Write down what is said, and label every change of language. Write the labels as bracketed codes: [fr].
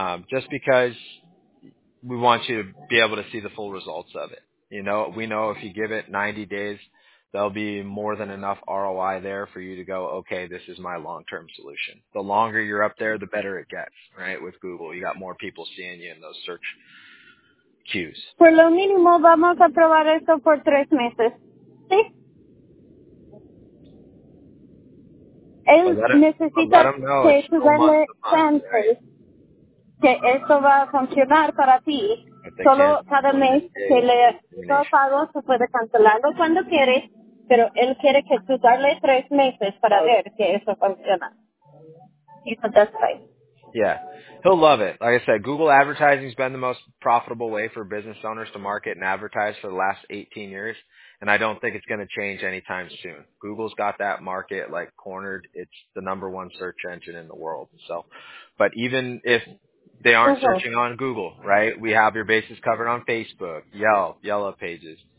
[en] Just because we want you to be able to see the full results of it. You know, we know if you give it 90 days, there'll be more than enough ROI there for you to go, okay, this is my long-term solution. The longer you're up there, the better it gets, right? With Google, you got more people seeing you in those search cues. [es] Por lo mínimo, vamos a probar esto por 3 meses. Sí. Necesita que tú dale chance que esto va a funcionar para ti. Solo cada mes que le pago se puede cancelarlo cuando quieres, pero él quiere que tú dale 3 meses para ver que eso funciona. Eso es todo. [en] Yeah, he'll love it. Like I said, Google Advertising has been the most profitable way for business owners to market and advertise for the last 18 years, and I don't think it's going to change anytime soon. Google's got that market, like, cornered. It's the number one search engine in the world. So, but even if they aren't searching on Google, right, we have your bases covered on Facebook, Yellow Pages.